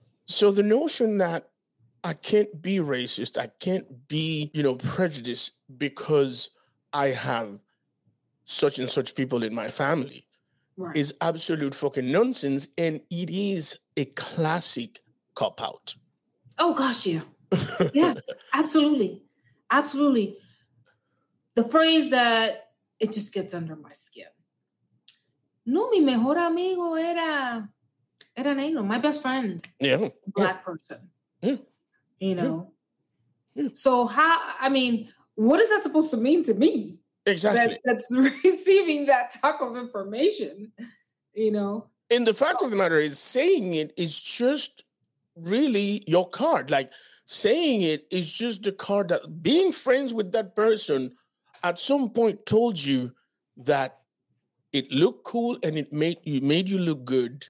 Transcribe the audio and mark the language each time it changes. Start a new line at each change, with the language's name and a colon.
English: So the notion that I can't be racist, I can't be, you know, prejudiced because I have such and such people in my family, right. is absolute fucking nonsense, and it is a classic cop-out. Oh, gosh, yeah. Yeah, absolutely. Absolutely. The phrase that it just gets under my skin.
Spanish: No, mi mejor amigo era negro,
English: my best friend. Yeah. Black yeah. person. Yeah. You know? Yeah. So how, I mean, what is that supposed to mean to me? Exactly. That's receiving that type of information, you know. And the fact of the matter is, saying it is just really your card. Like, saying it is just the card that being friends with that person at some point told you that it looked cool and it made you look good.